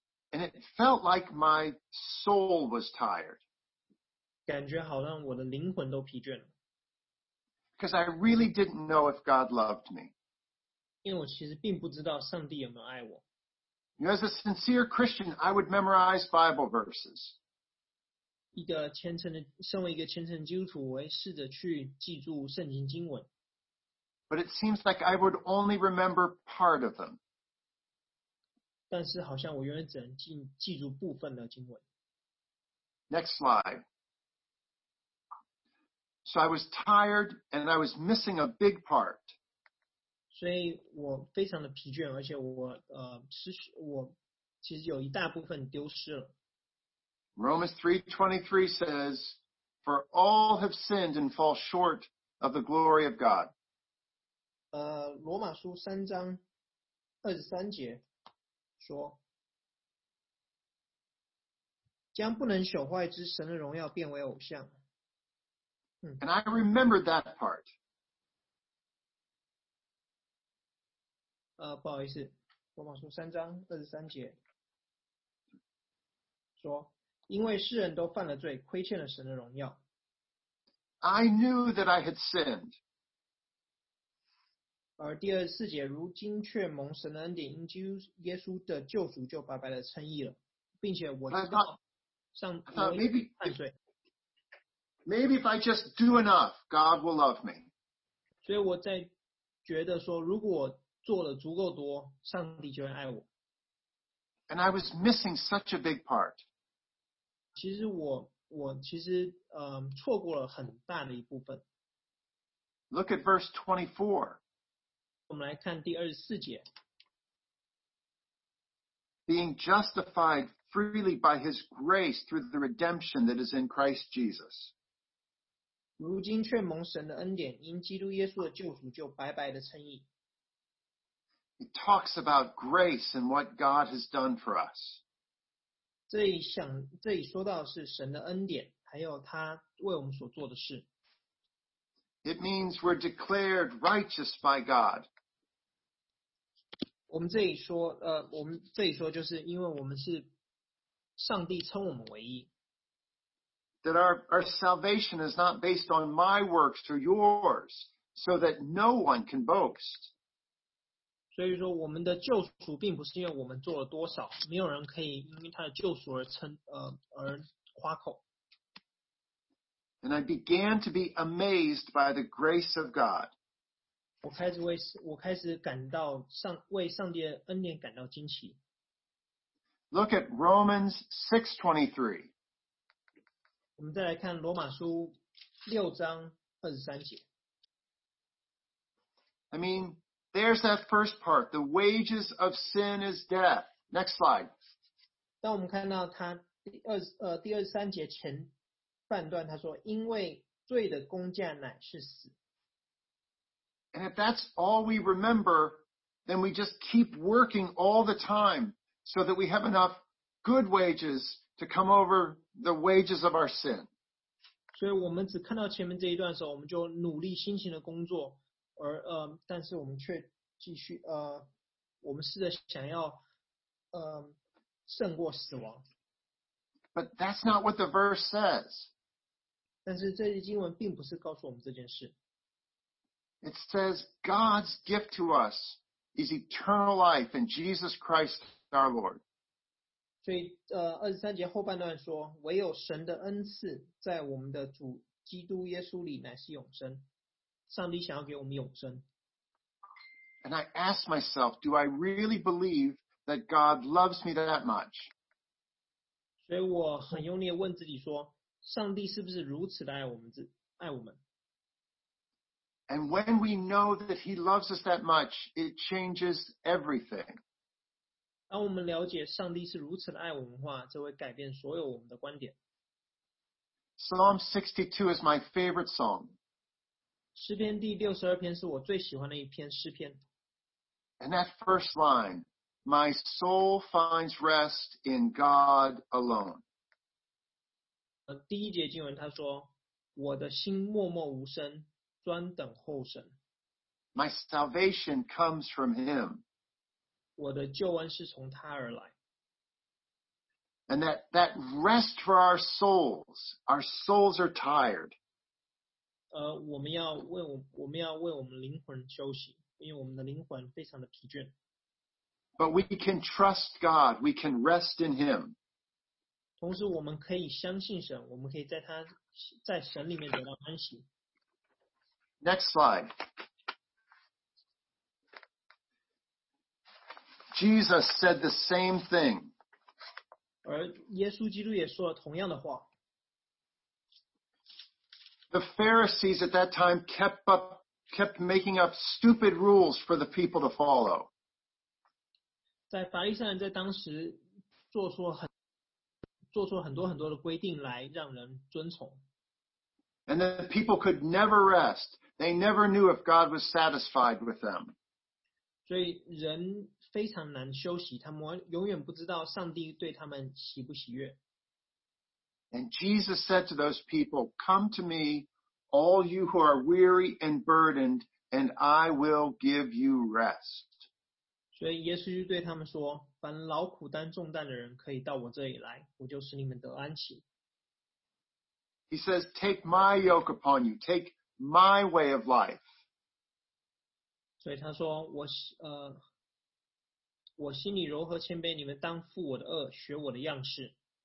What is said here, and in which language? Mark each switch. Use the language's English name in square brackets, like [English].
[English] ，and it felt like my soul was tired， [Chinese] 感觉好像我的灵魂都疲倦了 [English] ，because I really didn't know if God loved me， [Chinese] 因为我其实并不知道上帝有没有爱我 [English] ，you know, as a sincere Christian， I would memorize Bible verses。 [Chinese] 一个虔诚的，身为一个虔诚的基督徒，我会试着去记住圣经经文。 [English] But it seems like I would only remember part of them. [Chinese] 但是好像我永远只能记住部分的经文。 [English] Next slide. So I was tired and I was missing a big part. [Chinese] 所以我非常的疲倦，而且我其实有一大部分丢失了。 [English] Romans 3:23 says, "For all have sinned and fall short of the glory of God." [Chinese] 罗马书三章二十三节说，将不能朽坏之神的荣耀变为偶像。 [English] And I remember that part. [Chinese] 不好意思，罗马书三章二十三节说。因为世人都犯了罪，亏欠了神的荣耀。 [English] I knew that I had sinned. [Chinese] 而第二十四节，如今却蒙神的恩典，因基督耶稣的救赎，就白白的称义了，并且我知道上帝犯罪。 [English] Maybe if I just do enough, God will love me. [Chinese] 所以我在觉得说，如果做了足够多，上帝就会爱我。 [English] And I was missing such a big part. [Chinese] 其实我其实错过了很大的一部分。 [English] Look at verse 24. [Chinese] 我们来看第二十四节。 [English] Being justified freely by his grace through the redemption that is in Christ Jesus. [Chinese] 如今却蒙神的恩典，因基督耶稣的救赎，就白白的称义。 [English] It talks about grace and what God has done for us. [Chinese] 这里说到的是神的恩典，还有他为我们所做的事。 [English] It means we're declared righteous by God. [Chinese] 我们这里说就是因为我们是上帝称我们为义。 [English] That our salvation is not based on my works or yours, so that no one can boast. [Chinese] 所以说我们的救赎并不是因为我们做了多少，没有人可以因为他的救赎而夸口。 [English] And I began to be amazed by the grace of God. [Chinese] 我开始感到上为上帝的恩典感到惊奇。 [English] Look at Romans 6:23. [Chinese] 我们再来看罗马书六章二十三节。 [English] I mean, there's that first part. The wages of sin is death. Next slide. [Chinese] 当我们看到他第二十三节前半段，他说：“因为罪的工价乃是死。” [English] And if that's all we remember, then we just keep working all the time so that we have enough good wages. To come over the wages of our sin. [Chinese] 所以我们只看到前面这一段的时候，我们就努力辛勤的工作，而但是我们却继续我们试着想要胜过死亡。 [English] But that's not what the verse says. [Chinese] 但是这句经文并不是告诉我们这件事。 [English] It says God's gift to us is eternal life in Jesus Christ our Lord. [Chinese] 所以二十三节后半段说唯有神的恩赐在我们的主基督耶稣里乃是永生。上帝想要给我们永生。 [English] And I ask myself, do I really believe that God loves me that much? [Chinese] 所以我很用力地问自己说上帝是不是如此的爱我们。 [English] And when we know that he loves us that much, it changes everything. [Chinese] 当我们了解上帝是如此的爱我们的话，这会改变所有我们的观点。 [English] Psalm 62 is my favorite song. [Chinese] 诗篇第六十二篇是我最喜欢的一篇诗篇。 [English] And that first line, my soul finds rest in God alone. [Chinese] 第一节经文他说，我的心默默无声，专等候神。 [English] My salvation comes from Him. [Chinese] 我的救恩是从他而来。 [English] And that rest for our souls, our souls are tired. [Chinese] 我们要为我们灵魂休息，因为我们的灵魂非常的疲倦。 [English] But we can trust God, we can rest in Him. [Chinese] 同时我们可以相信神，我们可以在神里面得到安息。 [English] Next slide. Jesus said the same thing. [Chinese] 而耶稣基督也说了同样的话。 [English] The Pharisees at that time kept making up stupid rules for the people to follow. [Chinese] 在法利赛人在当时做出很多很多的规定来让人遵从。 [English] And the people could never rest. They never knew if God was satisfied with them. [Chinese] 所以人非常难休息，他们永远不知道上帝对他们喜不喜悦。 [English] And Jesus said to those people, "Come to me, all you who are weary and burdened, and I will give you rest." [Chinese] 所以耶稣就对他们说，凡劳苦担重担的人可以到我这里来，我就使你们得安息。 [English] He says, "Take my yoke upon you, take my way of life." [Chinese] 所以他说我心里柔和谦卑，你们当负我的轭，学我的样式。